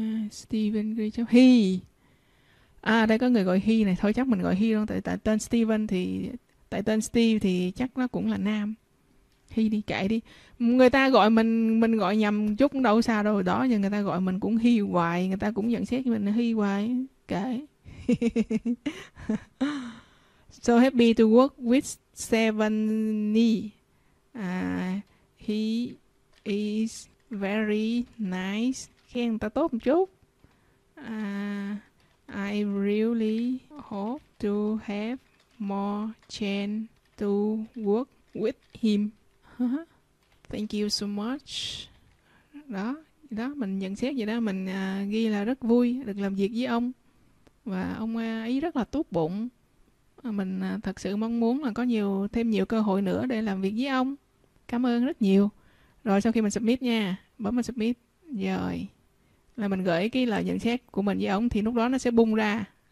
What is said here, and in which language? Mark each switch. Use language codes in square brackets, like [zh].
[vi] Steven ghi cho he. Đây có người gọi he này, thôi chắc mình gọi he luôn, tại tên Steven thì tại tên Steve thì chắc nó cũng là nam. He đi, kệ đi. Người ta gọi mình gọi nhầm chút cũng đâu sao đâu. Đó nhưng người ta gọi mình cũng he hoài, người ta cũng nhận xét mình là he hoài, kệ. [en] So happy to work with seven knee. He is very nice. [vi] Khen người ta tốt một chút. [en] I really hope to have more chance to work with him. Thank you so much. [vi] Đó, đó mình nhận xét vậy đó. Mình ghi là rất vui được làm việc với ông. Và ông ấy rất là tốt bụng. Mình thật sự mong muốn là có nhiều thêm nhiều cơ hội nữa để làm việc với ông. Cảm ơn rất nhiều. Rồi sau khi mình submit nha, bấm mình submit. Rồi là mình gửi cái lời nhận xét của mình với ông, thì lúc đó nó sẽ bung ra.